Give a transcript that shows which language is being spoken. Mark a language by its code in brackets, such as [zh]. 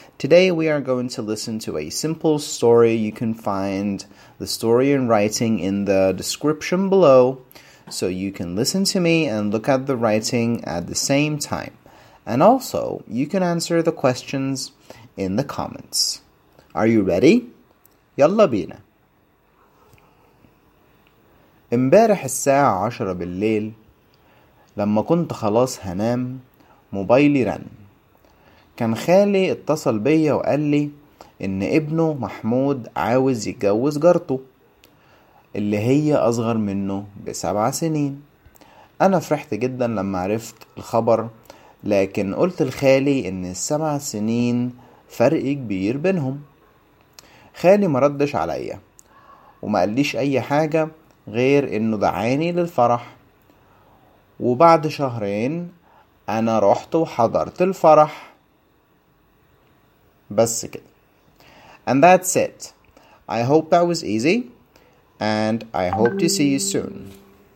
[en] Today we are going to listen to a simple story. You can find the story in writing in the description below so you can listen to me and look at the writing at the same time. And also you can answer the questions in the comments. Are you ready? [ar] Yalla bina! امبارح الساعة 10 بالليل لما كنت خلاص هنام موبايلي رن. كان خالي اتصل بي وقال لي ان ابنه محمود عاوز يتجوز جارته اللي هي اصغر منه ب7 سنين. انا فرحت جدا لما عرفت الخبر، لكن قلت لخالي ان ال7 سنين فرق كبير بينهم. خالي مردش عليا وما قاليش اي حاجة غير انه دعاني للفرح. وبعد شهرين انا رحت وحضرت الفرح بس كده. [en] And that's it. I hope that was easy and I hope to see you soon.